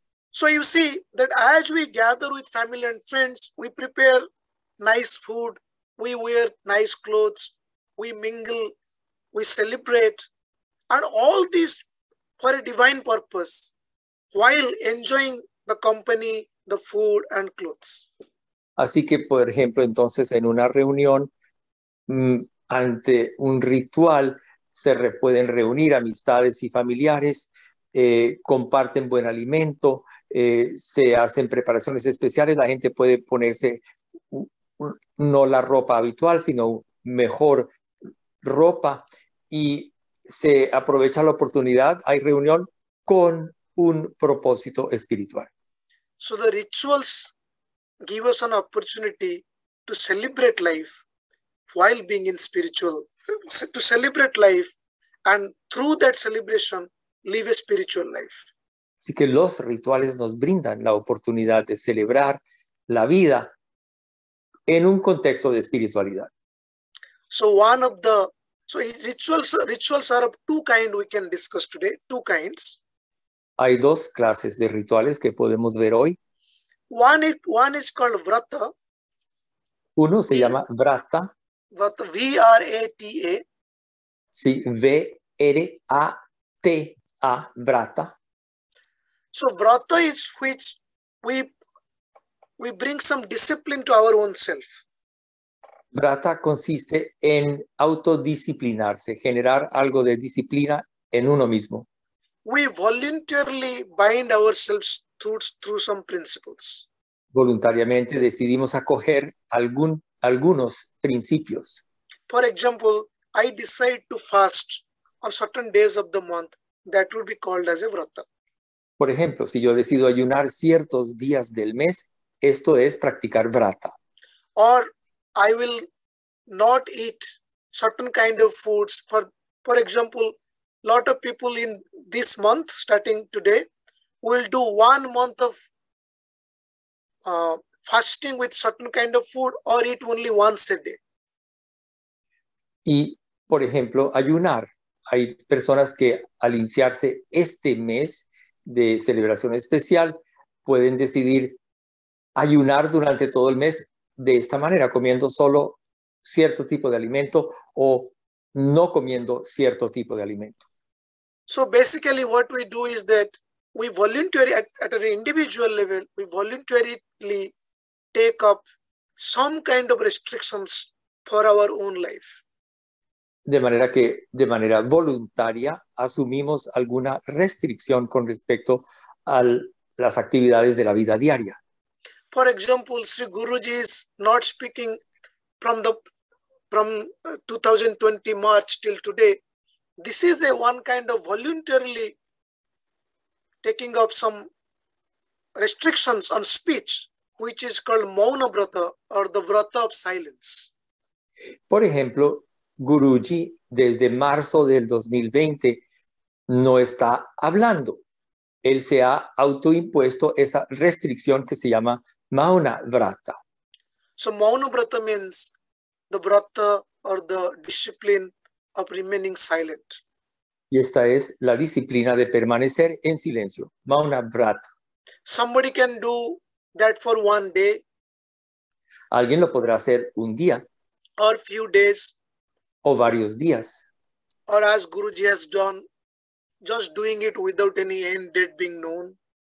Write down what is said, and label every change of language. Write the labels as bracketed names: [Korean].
[English] So you see that as we gather with family and friends, we prepare nice food, we wear nice clothes, we mingle, we celebrate, and all these for a divine purpose, while enjoying the company, the food and clothes. [Spanish] Así que, por ejemplo, entonces en una reunión, ante un ritual, se pueden reunir amistades y familiares, comparten buen alimento, se hacen preparaciones especiales, la gente puede ponerse no la ropa habitual, sino mejor ropa, y se aprovecha la oportunidad, hay reunión con un propósito espiritual. [English] So the rituals give us an opportunity to celebrate life while being in spiritual, to celebrate life and through that celebration live a spiritual life. [Spanish] Así que los rituales nos brindan la oportunidad de celebrar la vida en un contexto de espiritualidad. [English] So one of the rituals are of two kinds we can discuss today, two kinds. [Spanish] Hay dos clases de rituales que podemos ver hoy. [English] One is called vrata. [Spanish] Uno se llama vrata. [English] Vrata, V-R-A-T-A. [Spanish] Sí, V-R-A-T-A, vrata. [English] So vrata is which we bring some discipline to our own self. [Spanish] Vrata consiste en autodisciplinarse, generar algo de disciplina en uno mismo. [English] We voluntarily bind ourselves through some principles. [Spanish] Voluntariamente decidimos acoger algunos principios. [English] For example, I decide to fast on certain days of the month. That would be called as a vrata. [Spanish] Por ejemplo, si yo decido ayunar ciertos días del mes, esto es practicar vrata. [English] Or I will not eat certain kind of foods. For example, lot of people in this month, starting today, will do 1 month of fasting with certain kind of food or eat only once a day. [Spanish] Y, por ejemplo, ayunar. Hay personas que al iniciarse este mes de celebración especial pueden decidir ayunar durante todo el mes de esta manera, comiendo solo cierto tipo de alimento o no comiendo cierto tipo de alimento. [English] So basically what we do is that we voluntarily at an individual level, we voluntarily take up some kind of restrictions for our own life. [Spanish] De manera que de manera voluntaria asumimos alguna restricción con respecto a las actividades de la vida diaria. [English] For example, Sri Guruji is not speaking from 2020 March till today. This is a one kind of voluntarily taking up some restrictions on speech, which is called Mauna Vrata or the Vrata of Silence. [Spanish] Por ejemplo, Guruji desde marzo del 2020 no está hablando. Él se ha autoimpuesto esa restricción que se llama Mauna Vrata. [English] So Mauna Vrata means the Vrata or the discipline of remaining silent. [Spanish] Y esta es la disciplina de permanecer en silencio. [English] Mauna Vrata. Somebody can do that for one day. [Spanish] Alguien lo podrá hacer un día. [English] Or few days. [Spanish] O varios días. [English] Or as Guruji has done, just doing it without any end date being known.